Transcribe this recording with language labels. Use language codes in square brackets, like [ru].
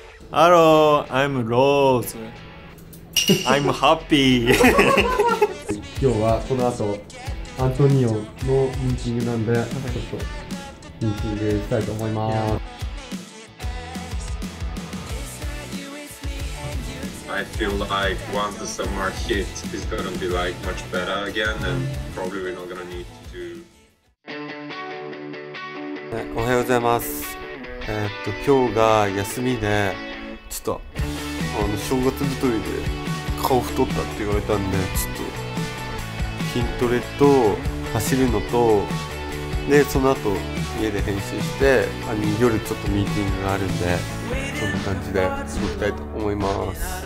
[en] ハロー、 I'm Rose I'm happy [ja] 今日はこの後アントニオのミーティングなんで、ちょっとミーティングしたいと思います。はい、 [en] I feel like once the summer hits it's gonna be like much better again and probably we're not gonna need to do。 [ja] おはようございます。今日が休みで、ちょっと正月太りで顔太ったって言われたんで、ちょっと筋トレと走るのと、でその後家で編集して、夜ちょっとミーティングがあるんで、そんな感じで行きたいと思います。